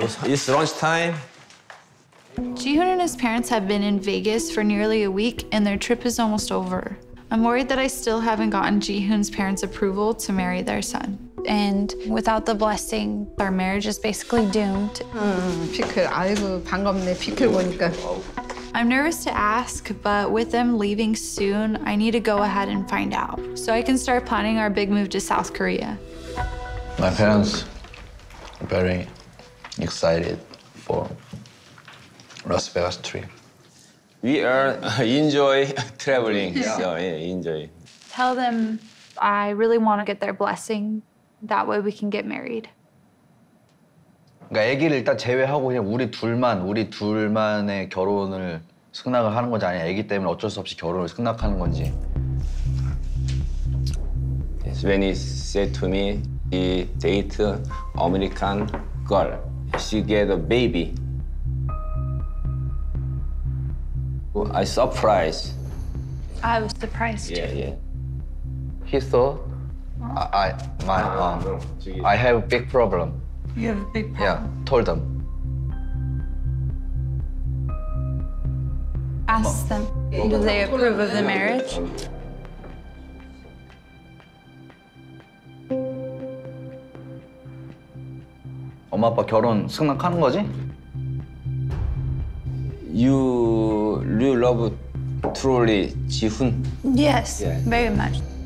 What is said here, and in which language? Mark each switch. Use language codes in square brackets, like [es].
[en] It's lunchtime. Jihoon and his parents have been in Vegas for nearly a week, and their trip is almost over. I'm worried that I still haven't gotten Jihoon's parents' approval to marry their son. And without the blessing, our marriage is basically doomed. Pickle. [ko] 아이고, 반갑네, 피클 보니까. [en] I'm nervous to ask, but with them leaving soon, I need to go ahead and find out so I can start planning our big move to South Korea. My parents are very excited for Las Vegas trip. We are enjoy traveling, so enjoy. Tell them I really want to get their blessing. That way we can get married. [ko] 그러니까 애기를 일단 제외하고 그냥 우리 둘만의 결혼을 승낙을 하는 건지 아니면 애기 때문에 어쩔 수 없이 결혼을 승낙하는 건지. [en] Yes, when he said to me he date American girl, she get a baby. I surprised. I was surprised. Yeah. He thought I have a big problem. You have a big problem. Yeah, told them. Ask them, do they approve of the marriage? [ko] Mom, 엄마, 아빠 결혼 승낙하는 거지? [en] You love truly Jihoon? Yes, very much.